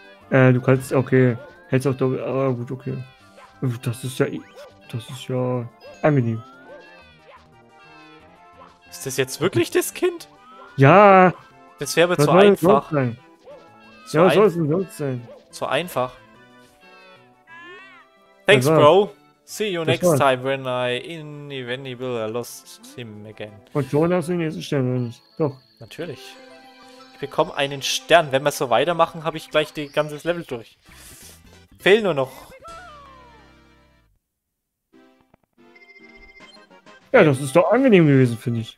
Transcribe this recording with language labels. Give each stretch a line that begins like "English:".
German: Du kannst, okay. Hältst auch doppelt. Ah, gut, okay. Das ist ja angenehm. Ist das jetzt wirklich das Kind? Ja. Das wäre aber zu einfach. Ja, was soll es denn sonst sein? Zu einfach.
English: Thanks, Bro. See you next time when I lost him again.
German: Und schon hast du den nächsten Stern, oder nicht? Doch. Natürlich. Ich bekomme einen Stern. Wenn wir so weitermachen, habe ich gleich die ganze Level durch. Fehlen nur noch. Ja, das ist doch angenehm gewesen, finde ich.